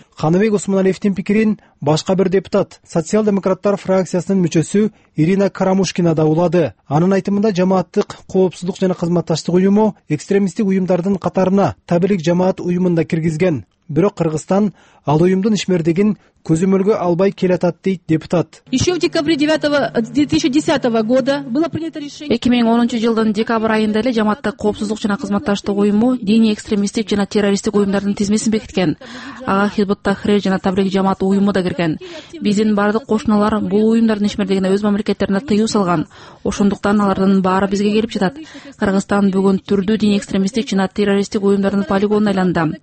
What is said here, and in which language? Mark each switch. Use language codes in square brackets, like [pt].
[ky] Каныбек Усманалиевдин пикирин башка бир депутат, социал-демократтар фракциясынын мүчөсү Ирина Карамушкина да улады. Анын айтымында жамааттык коопсуздук жана кызматташтык уюму экстремисттик уюмдардын катарына таблик жамаат уюмун да киргизген. Бирок Кыргызстан ал уюмдун ишмердигин көзөмөлгө албай келатат, дейт депутат. [ru] Еще в декабре 2010 года было принято решение. [ky] 2010-жылдын декабрь айында эле жамааттык коопсуздук жана кызматташтык уюму диний экстремисттик жана террористтик уюмдардын тизмесин бекиткен. Ага Хизбут Тахрир жана Таблик жамаат уюму да кирген. Биздин бардык кошунолор бул уюмдардын ишмердигине өз мамлекеттерине тыюу салган. Ошондуктан алардын баары бизге келип жатат. Кыргызстан бүгүн түрдүү диний экстремисттик жана террористтик уюмдардын полигонуна айланды.